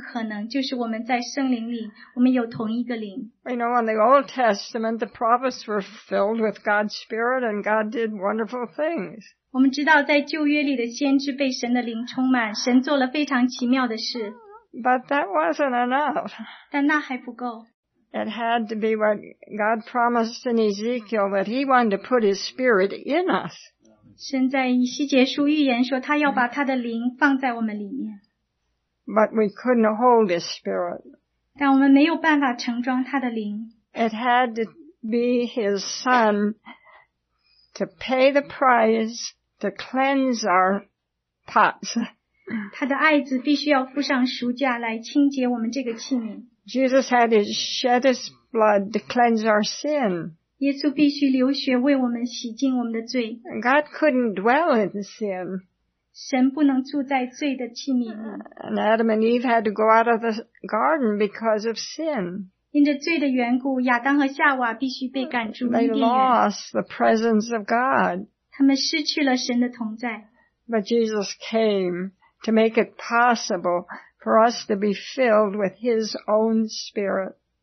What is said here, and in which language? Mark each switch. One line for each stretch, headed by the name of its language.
Chinese: 我想这件事能够发生，只有一种可能，就是我们在圣灵里，我们有同一个灵。
English: You know, in the Old Testament, the prophets were filled with God's Spirit, and God did wonderful things.
Chinese: 我们知道，在旧约里的先知被神的灵充满，神做了非常奇妙的事。
English: But that wasn't enough.
Chinese: 但那还不够。
English: It had to be what God promised in Ezekiel, that He wanted to put His Spirit in us.
Chinese: 神在以西结书预言说，他要把他的灵放在我们里面。
English: But we couldn't hold His Spirit.
Chinese: 但我们没有办法盛装他的灵。
English: It had to be his son to pay the price to cleanse our pots.
Chinese: 他的爱子必须要付上赎价来清洁我们这个器皿。
English: Jesus had to shed his blood to cleanse our sin.
Chinese: 耶稣必须流血为我们洗净我们的罪。
English: God couldn't dwell in sin.
Chinese: 神不能住在罪的器皿里。
English: And Adam and Eve had to go out of the garden because of sin.
Chinese: 因着罪的缘故, 亚当和夏娃必须被赶出伊甸园。
English: They lost the presence of God.
Chinese: 他们失去了神的同在。
English: But Jesus came to make it possible for us to be filled with His own Spirit.